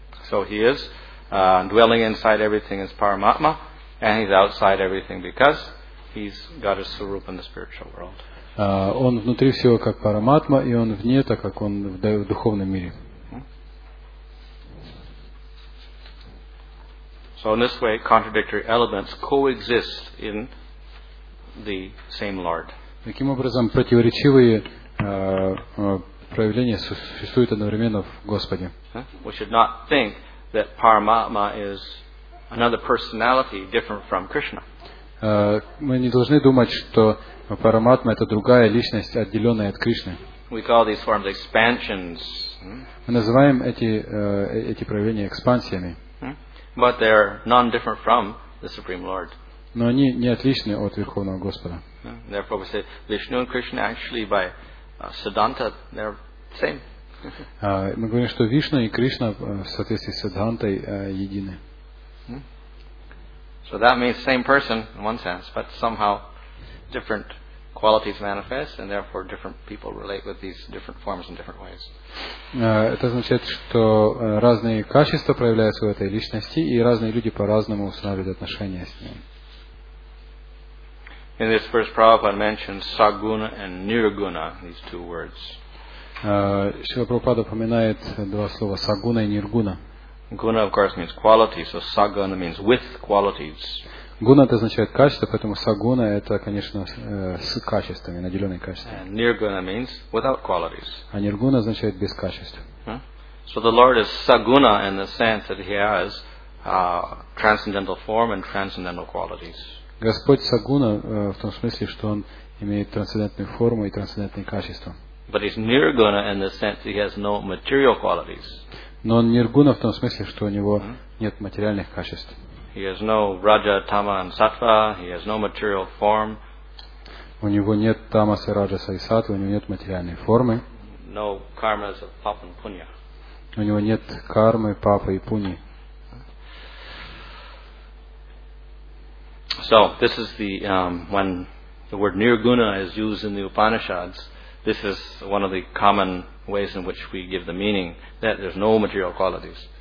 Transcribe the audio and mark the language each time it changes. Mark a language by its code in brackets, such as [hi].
[en] So he is dwelling inside everything as Paramatma, and he's outside everything because he's got his surup in the spiritual world. [ru] Он внутри всего как Параматма, и он вне, так как он в духовном мире. [en] So in this way, contradictory elements coexist in the same Lord. [ru] Таким образом, противоречивые проявления существуют одновременно в Господе. [en] We should not think that Paramatma is another personality different from Krishna. [ru] Мы не должны думать, что Параматма это другая личность, отделенная от Кришны. [en] We call these forms expansions. [ru] Мы называем эти проявления экспансиями. [en] But they are non-different from the Supreme Lord. [ru] Но они не отличны от Верховного Господа. [en] Therefore, we say Vishnu and Krishna actually by Siddhanta they're same. [ru] Мы говорим, что Вишна и Кришна в соответствии с Сиддхантой едины. [en] So that means same person in one sense, but somehow different qualities manifest, and therefore different people relate with these different forms in different ways. [ru] Это означает, что разные качества проявляются в этой личности, и разные люди по-разному устанавливают отношения с ним. [en] In this verse, Prabhupada mentions saguna and nirguna, these two words. [ru] Шрила Прабхупада упоминает два слова сагуна и ниргуна. [en] Guna, of course, means quality, so saguna means with qualities. [ru] Гуна это означает качество, поэтому сагуна это, конечно, с качествами, наделенные качествами. [en] And nirguna means without qualities. [ru] А ниргуна означает без качеств. [en] So the Lord is saguna in the sense that he has transcendental form and transcendental qualities. [ru] Господь сагуна в том смысле, что он имеет трансцендентную форму и трансцендентные качества. [en] But he's nirguna in the sense that he has no material qualities. [ru] Но он ниргуна в том смысле, что у него нет материальных качеств. [en] He has no raja, tama, and sattva. He has no material form. [ru] У него нет тамаса, раджаса и сатвы. У него нет материальной формы. [en] No karmas of papa and punya. [ru] У него нет кармы, папы и пуни. [en] So this is the when the word nirguna is used in the Upanishads. This is one of the common ways in which we give the meaning that there's no material qualities.